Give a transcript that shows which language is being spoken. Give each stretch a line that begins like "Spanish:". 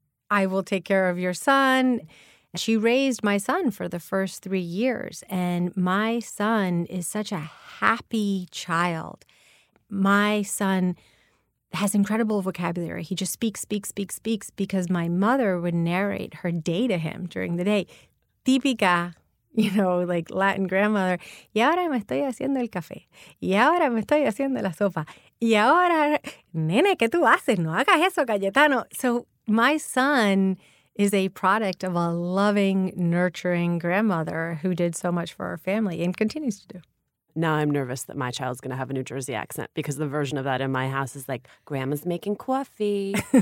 English: I will take care of your son. She raised my son for the first 3 years, and my son is such a happy child. My son has incredible vocabulary. He just speaks, because my mother would narrate her day to him during the day. Típica, you know, like Latin grandmother.
Spanish: Y ahora me estoy haciendo el café. Y ahora me estoy haciendo la sopa. Y ahora, nene, ¿qué tú haces? No hagas eso, Cayetano.
English: So my son is a product of a loving, nurturing grandmother who did so much for our family and continues to do. Now I'm nervous that my child's going to have a New Jersey accent because the version of that in my house is like, grandma's making coffee.